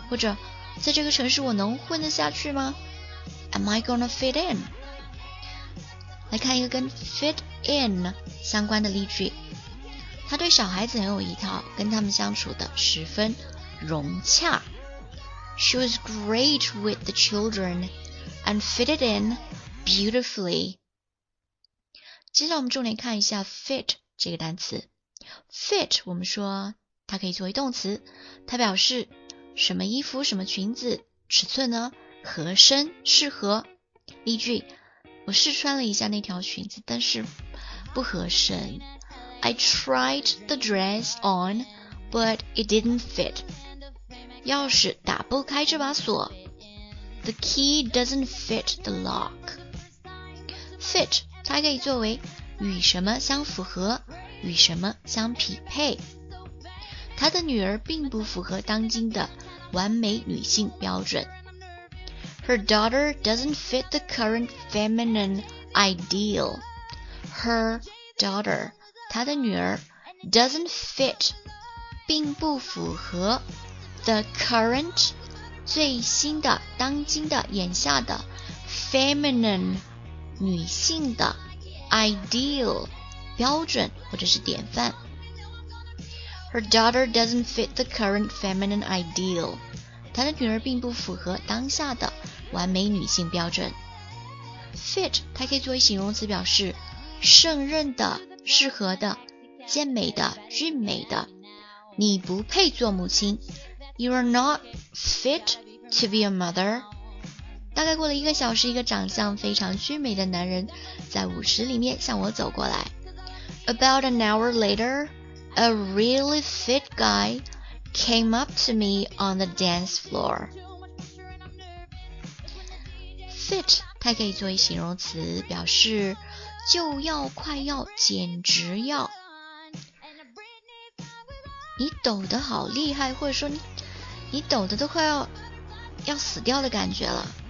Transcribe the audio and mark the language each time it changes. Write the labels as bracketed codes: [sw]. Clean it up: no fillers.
[zh] 或者在这个城市我能混得下去吗？ [en] Am I gonna fit in? [zh] 来看一个跟 fit in 相关的例句，他对小孩子很有一套，跟他们相处的十分融洽。 [en] She was great with the children and fitted in beautifully. [zh] 接下来我们重点看一下 fit 这个单词。fit 我们说它可以作为动词，它表示什么衣服、什么裙子尺寸呢合身适合。例句，我试穿了一下那条裙子但是不合身。 [en] I tried the dress on but it didn't fit. [zh] 钥匙打不开这把锁。 [en] The key doesn't fit the lock. [zh] Fit 它可以作为与什么相符合、与什么相匹配。他的女儿并不符合当今的完美女性标准。 [en] Her daughter doesn't fit the current feminine ideal. Her daughter [zh] 她的女儿 [en] doesn't fit [zh] 并不符合 [en] the current [zh] 最新的当今的眼下的 feminine 女性的 ideal 标准或者是典范。 [en] Her daughter doesn't fit the current feminine ideal. [zh] 她的女儿并不符合当下的完美女性标准。 Fit 它可以作为形容词，表示胜任的、适合的、健美的、俊美的。你不配做母亲， [en] You are not fit to be a mother. [zh] 大概过了一个小时，一个长相非常俊美的男人在舞池里面向我走过来。 [en] About an hour later, a really fit guyCame up to me on the dance floor. [zh] Fit 它可以作为形容词，表示就要、快要、简直要。你抖得好厉害，或者说 你抖得都快要死掉的感觉了。